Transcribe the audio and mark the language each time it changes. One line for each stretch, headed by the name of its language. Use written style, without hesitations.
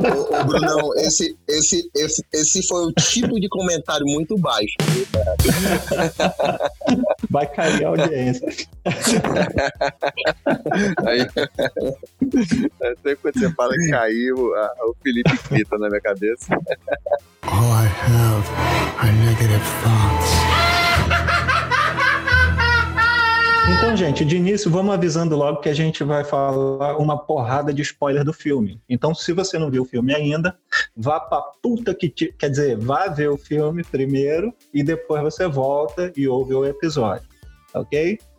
Portuguese: Ô, Brunão, esse foi o tipo de comentário muito baixo. Vai cair a audiência. Aí, sempre que você fala que caiu, o Felipe grita na minha cabeça.
English: All I have are negative thoughts.
Portuguese: Então, gente, de início, vamos avisando logo que a gente vai falar uma porrada de spoiler do filme. Então, se você não viu o filme ainda, vá pra puta que... Quer dizer, vá ver o filme primeiro e depois você volta e ouve o episódio, ok?